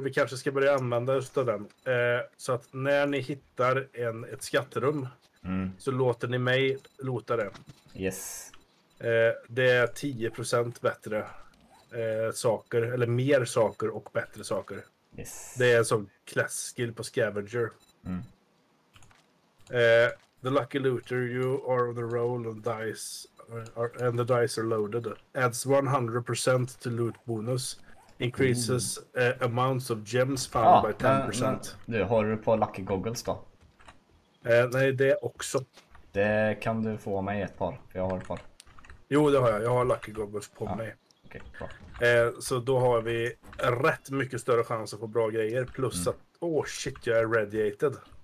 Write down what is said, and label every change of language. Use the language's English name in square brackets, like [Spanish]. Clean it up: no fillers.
[Swedish] Vi kanske ska börja använda just den. Så att när ni hittar ett skatterum så låter ni mig loota det. [English] Yes. [Swedish] Det är 10% bättre saker, eller mer saker och bättre saker. [English] Yes. [Swedish] Det är en sån class skill på scavenger. [English] The Lucky Looter, you are on the roll and dice and the dice are loaded. Adds 100% to loot bonus. Increases amounts of gems found by 10%. [Swedish] Nu har du på Lucky Goggles då? Nej, det också. Det kan du få mig ett par, för jag har ett par. Jo, det har jag. Jag har Lucky Goggles på mig. Okej, okay, bra. Så då har vi rätt mycket större chans att få bra grejer. Plus att, shit, jag är radiated.